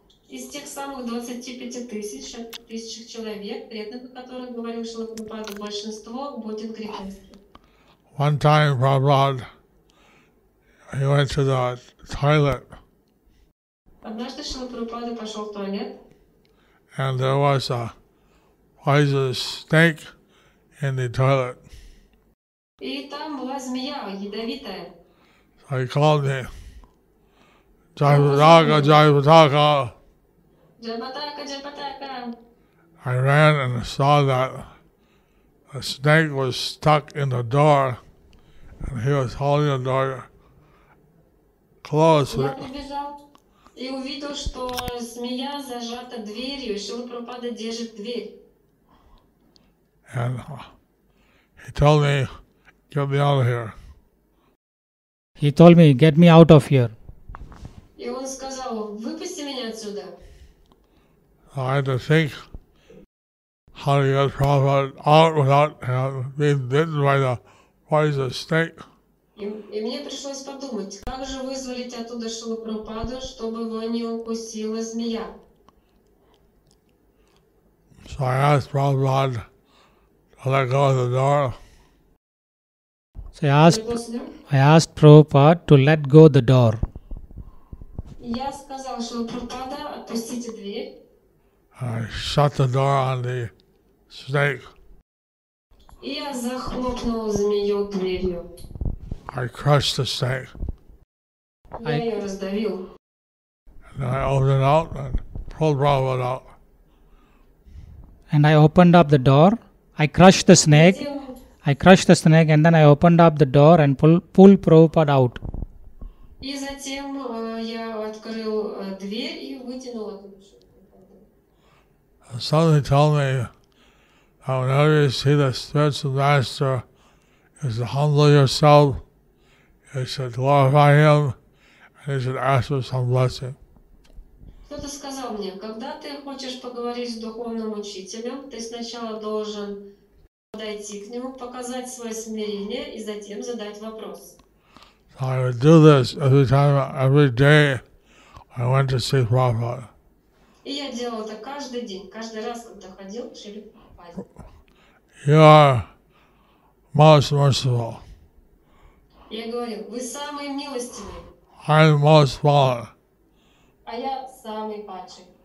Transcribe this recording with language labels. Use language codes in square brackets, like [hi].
[ru] Из тех самых 25 тысяч человек, преданных, о которых говорил Шрила Прабхупада, большинство будет грехастами. [en] One time, Prabhupada, he went to the toilet. [ru] Однажды Шрила Прабхупада пошел в туалет. [en] And there was a poisonous snake in the toilet. [ru] И там была змея ядовитая. [en] So he called me, Jai Pataka, Jai Pataka. I ran and saw that a snake was stuck in the door and he was holding the door closed. [ru] Я прибежал и увидел, что змея зажата дверью, Шрила Прабхупада держит дверь. [en] And he told me, get me out of here. He told me, get me out of here. [ru] И он сказал, выпусти меня отсюда. [en] I had to think how to get Prabhupada out without him being bitten by the poison snake. [ru] И мне пришлось подумать, как же вызволить оттуда Шрилу Прабхупаду, чтобы его не укусила змея. [en] So I asked Prabhupada to let go of the door. So I asked Prabhupada to let go the door. [ru] Я сказал Шрилу Прабхупаду, отпустите дверь. [en] I shut the door on the snake. [ru] Я захлопнул змею дверью. [en] I crushed the snake. [ru] Я ее раздавил. [en] And then I opened it out and pulled Prabhupada out. And I opened up the door. I crushed the snake. I crushed the snake and then I opened up the door and pulled Prabhupada out. [ru] И затем я открыл дверь и вытянул оттуда. [en] Something told me that whenever you see the spiritual master, you should humble yourself, you should glorify him, and you should ask for some blessing. [ru] Кто-то сказал мне, когда ты хочешь поговорить с духовным учителем, ты сначала должен подойти к нему, показать свое смирение и затем задать вопрос. [en] So I would do this every time, every day I went to see Prabhupada. [ru] И я делал это каждый день, каждый раз, когда ходил к Шриле Прабхупаде. [en] You are most merciful. [ru] Я говорю, вы самый милостивый. [en] I am most fallen. [ru] А я самый падший.